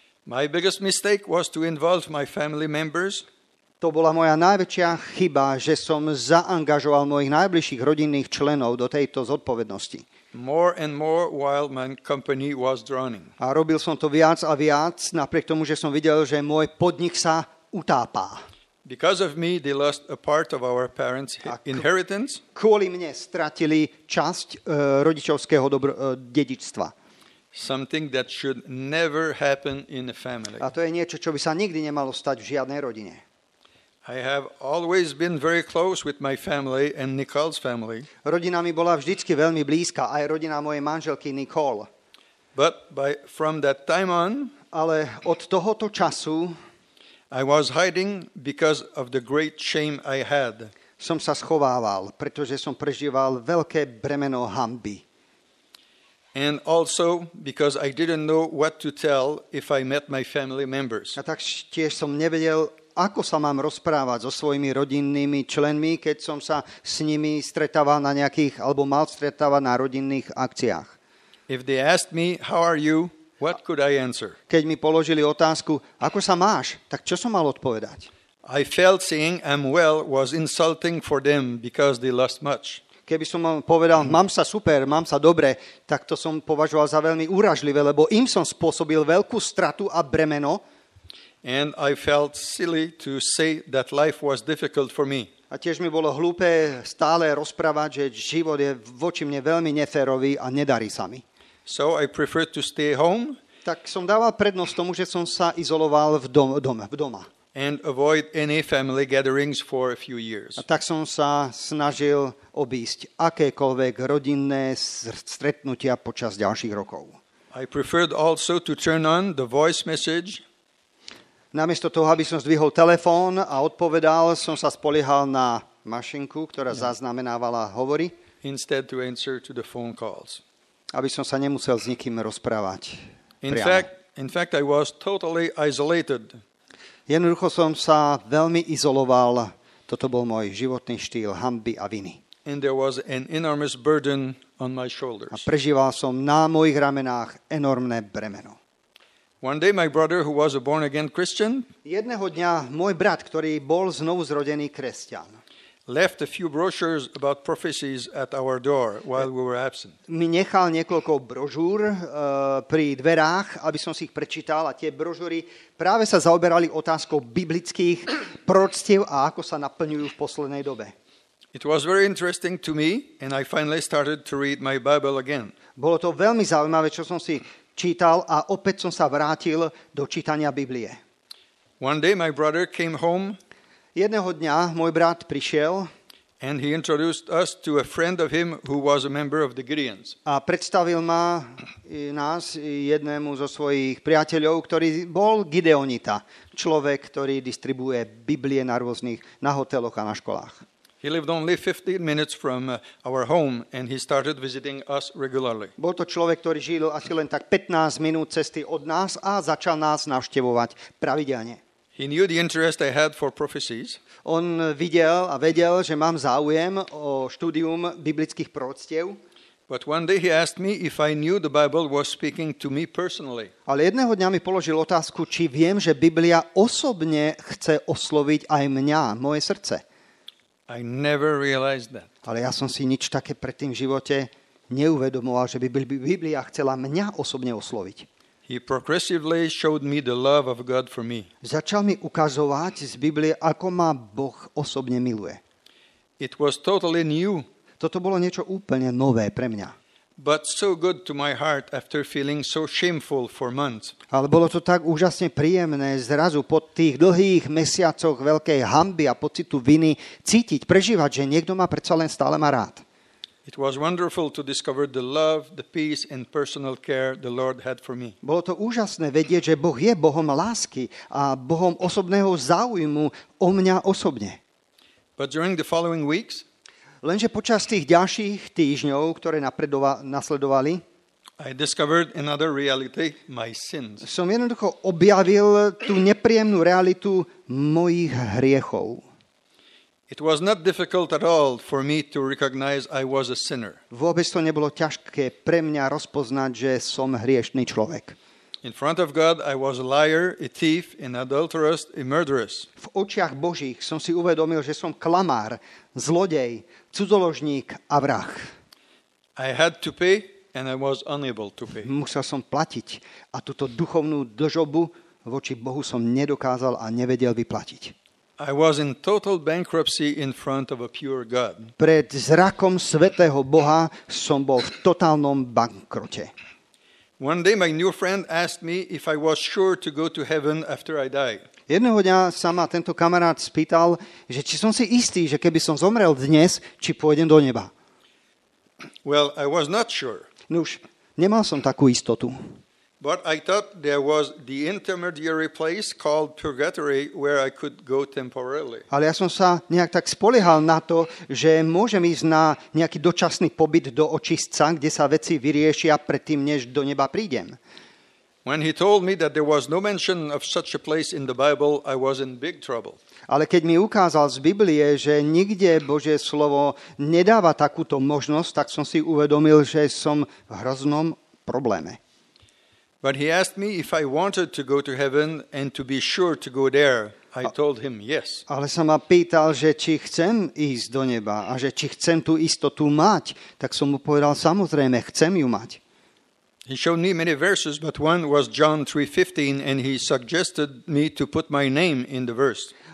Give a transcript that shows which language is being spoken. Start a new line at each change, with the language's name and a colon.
English: My biggest mistake was to involve my family members.
Slovak: To bola moja najväčšia chyba, že som zaangažoval mojich najbližších rodinných členov do tejto zodpovednosti.
English: More and more while my company was drowning.
Slovak: A robil som to viac a viac, napriek tomu, že som videl, že môj podnik sa utápa.
English: Because of me, they lost a part of our parents' inheritance.
Slovak: Kvôli mne stratili časť rodičovského dedičstva.
English: Something that should never happen in a family.
Slovak: A to je niečo, čo by sa nikdy nemalo stať v žiadnej rodine.
English: I have always been very close with my family and Nicole's family.
Slovak: Rodina mi bola vždycky veľmi blízka, aj rodina mojej manželky Nicole.
English: But by from that time on,
Slovak: ale od tohoto času,
English: I was hiding because of the great shame I had.
Slovak: Som sa schovával, pretože som prežíval veľké bremeno hanby.
English: And also because I didn't know what to tell if I met my family members.
Slovak: A tak tiež som nevedel, ako sa mám rozprávať so svojimi rodinnými členmi, keď som sa s nimi stretával na nejakých alebo mal stretávať na rodinných akciách.
English: If they asked me, how are you, what could I answer?
Slovak: Keď mi položili otázku, ako sa máš, tak čo som mal odpovedať?
English: I felt saying I'm well was insulting for them because they lost much.
Slovak: Keby som povedal, mám sa super, mám sa dobre, tak to som považoval za veľmi úražlivé, lebo im som spôsobil veľkú stratu a bremeno.
English: And I felt silly to say that life was difficult for me.
Slovak: A tiež mi bolo hlúpe stále rozprávať, že život je voči mne veľmi neférový a nedarí sa mi.
English: So I preferred to stay home.
Slovak: Tak som dával prednosť tomu, že som sa izoloval v doma.
English: And avoid any family gatherings for a few years.
Slovak: A tak som sa snažil obísť akékoľvek rodinné stretnutia počas ďalších rokov.
English: I preferred also to turn on the voice message.
Slovak: Namiesto toho, aby som zdvihol telefón a odpovedal, som sa spoliehal na mašinku, ktorá zaznamenávala hovory.
English: Instead to answer to the phone calls.
Slovak: Aby som sa nemusel s nikým rozprávať.
English: In fact, I was totally isolated.
Slovak: Jednoducho som sa veľmi izoloval. Toto bol môj životný štýl hanby a viny.
English: And there was an enormous burden on my shoulders.
Slovak: A prežíval som na mojich ramenách enormné bremeno.
English: One day my brother who was a born again Christian,
Slovak: jedného dňa môj brat, ktorý bol znovu zrodený kresťan,
English: left a few brochures about prophecies at our door while we were absent.
Slovak: Mi nechal niekoľko brožúr pri dverách, aby som si ich prečítal, a tie brožúry práve sa zaoberali otázkou biblických proroctiev a ako sa naplňujú v poslednej dobe.
English: It was very interesting to me and I finally started to read my Bible again.
Slovak: Bolo to veľmi zaujímavé, čo som si čítal, a opäť som sa vrátil do čítania Biblie.
English: One day my brother came home.
Slovak: Jedného dňa môj brat prišiel.
English: And he introduced us to a friend of him who was a member of the Gideons.
Slovak: A predstavil ma nás jednému zo svojich priateľov, ktorý bol Gideonita, človek, ktorý distribuuje Biblie na rôznych na hoteloch a na školách.
English: He lived only 15 minutes from our home and he started visiting us regularly.
Slovak: Bol to človek, ktorý žil asi len tak 15 minút cesty od nás a začal nás navštevovať pravidelne.
English: He knew the interest I had for prophecies.
Slovak: On videl a vedel, že mám záujem o štúdium biblických proroctiev.
English: But one day he asked me if I knew the Bible was speaking to me personally.
Slovak: Ale jedného dňa mi položil otázku, či viem, že Biblia osobne chce osloviť aj mňa, moje srdce.
English: I never realized that.
Slovak: Ale ja som si nič také predtým v živote neuvedomoval, že by Biblia chcela mňa osobne osloviť.
English: He progressively showed me the love of God for me.
Slovak: Začal mi ukazovať z Biblie, ako ma Boh osobne miluje.
English: It was totally new.
Slovak: Toto bolo niečo úplne nové pre mňa.
English: But so good to my heart after feeling so shameful for months.
Slovak: Ale bolo to tak úžasne príjemné zrazu po tých dlhých mesiacoch veľkej hanby a pocitu viny cítiť, prežívať, že niekto ma predsa len stále má rád.
English: It was wonderful to discover the love, the peace and personal care the Lord had for me.
Slovak: Bolo to úžasné vedieť, že Boh je Bohom lásky a Bohom osobného záujmu o mňa osobne.
English: But during the following weeks,
Slovak: lenže počas tých ďalších týždňov, ktoré nasledovali,
English: I discovered another reality, my sins.
Slovak: Som jednoducho objavil tú nepríjemnú realitu mojich hriechov.
English: It was not difficult at all for me to recognize I was a sinner.
Slovak: Vôbec to nebolo ťažké pre mňa rozpoznať, že som hriešný človek.
English: In front of God I was a liar, a thief, an adulterer, a murderer.
Slovak: V očiach Božích som si uvedomil, že som klamár, zlodej, cudzoložník a vrah.
English: I had to pay and I was unable to pay.
Slovak: Musel som platiť a túto duchovnú dlžobu voči Bohu som nedokázal a nevedel vyplatiť.
English: I was in total bankruptcy in front of a pure God.
Slovak: Pred zrakom svätého Boha som bol v totálnom bankrote.
English: One day my new friend asked me if I was sure to go to heaven after I die.
Slovak: Jedného dňa sa ma tento kamarát spýtal, že či som si istý, že keby som zomrel dnes, či pôjdem do neba.
English: Well, I was not sure.
Slovak: Nuž, nemal som takú istotu.
English: But I thought there was the intermediary place called purgatory where I could go temporarily.
Slovak: Ale ja som sa nejak tak spoliehal na to, že môžem ísť na nejaký dočasný pobyt do očistca, kde sa veci vyriešia predtým, než do neba prídem.
English: When he told me that there was no mention of such a place in the Bible, I was in big trouble.
Slovak: Ale keď mi ukázal z Biblie, že nikde Božie slovo nedáva takúto možnosť, tak som si uvedomil, že som v hroznom probléme.
English: But he asked me if I wanted to go to heaven and to be sure to go there. I told him yes.
Slovak: Ale sa ma pýtal, že či chcem ísť do neba a že či chcem tú istotu mať, tak som mu povedal, samozrejme, chcem ju mať.
English: He showed me many verses, but one was John 3:15 and he suggested me to put my name in the verse.